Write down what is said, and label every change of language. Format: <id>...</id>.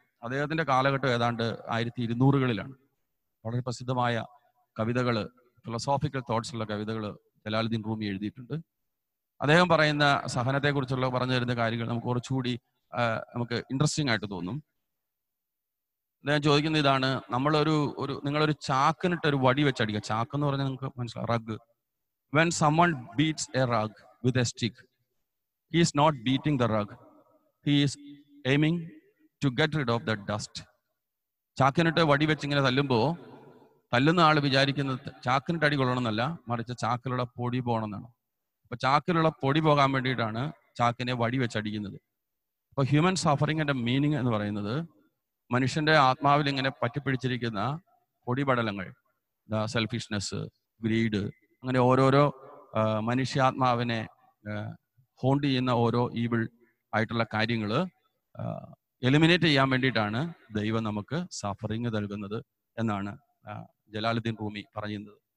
<ml>അദ്ദേഹത്തിന്റെ കാലഘട്ടം ഏതാണ്ട് 1200s. വളരെ പ്രസിദ്ധമായ കവിതകൾ, ഫിലോസോഫിക്കൽ തോട്ട്സ് ഉള്ള കവിതകൾ ജലാലുദ്ദീൻ റൂമി എഴുതിയിട്ടുണ്ട്. അദ്ദേഹം പറയുന്ന സഹനത്തെ കുറിച്ചുള്ള പറഞ്ഞു തരുന്ന കാര്യങ്ങൾ നമുക്ക് കുറച്ചുകൂടി നമുക്ക് ഇൻട്രസ്റ്റിംഗ് ആയിട്ട് തോന്നും. അദ്ദേഹം ചോദിക്കുന്ന ഇതാണ്, നമ്മളൊരു ഒരു നിങ്ങളൊരു ചാക്കിനിട്ട് ഒരു വടി വെച്ചടിക്കുക. ചാക്ക് എന്ന് പറഞ്ഞാൽ നിങ്ങൾക്ക് മനസ്സിലാവും, rug.</ml> <en>When someone beats a rug with a stick, he is not beating the rug. He is aiming to get rid of the dust.</en> <ml>ചാക്കിനിട്ട് വടി വെച്ചിങ്ങനെ തല്ലുമ്പോൾ തല്ലുന്ന ആൾ വിചാരിക്കുന്നത് ചാക്കിനിട്ട് അടി കൊള്ളണമെന്നല്ല, മറിച്ച് ചാക്കിലുള്ള പൊടി പോകണം എന്നാണ്. അപ്പൊ ചാക്കിലുള്ള പൊടി പോകാൻ വേണ്ടിയിട്ടാണ് ചാക്കിനെ വടി വെച്ചടിക്കുന്നത്. അപ്പൊ ഹ്യൂമൻ സഫറിങ്ങിന്റെ മീനിങ് എന്ന് പറയുന്നത് മനുഷ്യന്റെ ആത്മാവിൽ ഇങ്ങനെ പറ്റിപ്പിടിച്ചിരിക്കുന്ന പൊടിപടലങ്ങൾ, സെൽഫിഷ്നെസ്, ഗ്രീഡ്, അങ്ങനെ ഓരോരോ മനുഷ്യാത്മാവിനെ ഹോണ്ട് ചെയ്യുന്ന ഓരോ ഈവിൾ ആയിട്ടുള്ള കാര്യങ്ങൾ എലിമിനേറ്റ് ചെയ്യാൻ വേണ്ടിയിട്ടാണ് ദൈവം നമുക്ക് സഫറിങ് നൽകുന്നത് എന്നാണ് ജലാലുദ്ദീൻ റൂമി പറയുന്നത്.</ml>